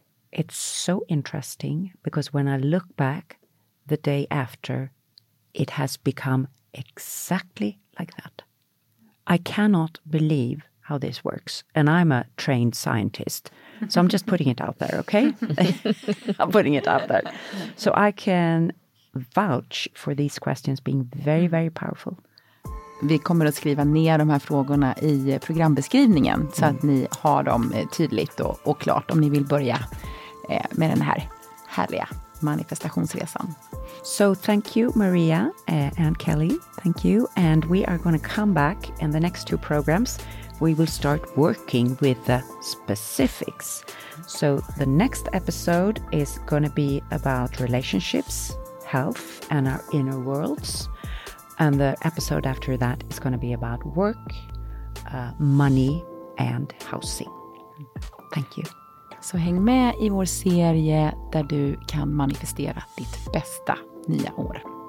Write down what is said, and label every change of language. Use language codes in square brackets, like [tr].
[en] It's so interesting because when I look back the day after, it has become exactly like that. I cannot believe how this works. And I'm a trained scientist. So I'm just putting it out there, okay? I'm putting it out there. So I can vouch for these questions being very, very powerful. [sv] Vi kommer att skriva ner de här frågorna i programbeskrivningen så att ni har dem tydligt och klart om ni vill börja med den här härliga manifestationsresan. [en] So thank you Maria and Kelly. Thank you. And we are going to come back in the next two programs. We will start working with the specifics. So the next episode is going to be about relationships, health and our inner worlds. And the episode after that is going to be about work, money and housing. Thank you. [sv] Så häng med i vår serie där du kan manifestera ditt bästa nya år.